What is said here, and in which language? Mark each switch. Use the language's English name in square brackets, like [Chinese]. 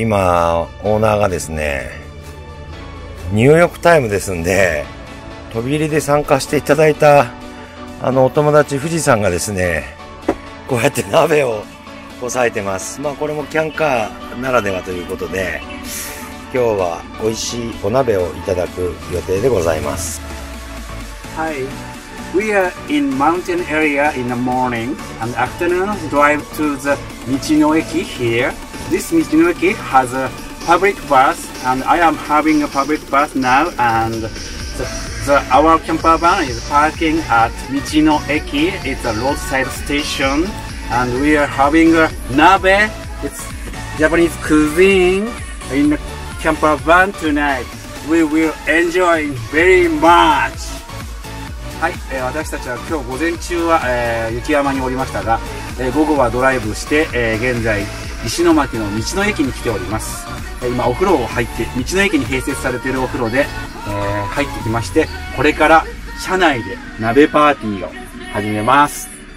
[Japanese] 今オーナーがですね、入浴タイムですんで、飛び入りで参加していただいたあのお友達富士さんがですね、こうやって鍋をこさえてます。まあこれもキャンカーならではということで、今日は美味しいお鍋をいただく予定でございます。 [English] はい、We are in mountain area in the morning and afternoon drive to the Michinoeki here. This Michinoeki has a public bus and I am having a public bus now and our camper van is parking at Michinoeki. It's a roadside station and we are having a nabe. It's Japanese cuisine in the camper van tonight. We will enjoy very much. [Japanese] はい、私たちは今日午前中は、雪山におりましたが、午後はドライブして、現在石巻の道の駅に来ております。今お風呂を入って、道の駅に併設されているお風呂で、入ってきまして、これから車内で鍋パーティーを始めます。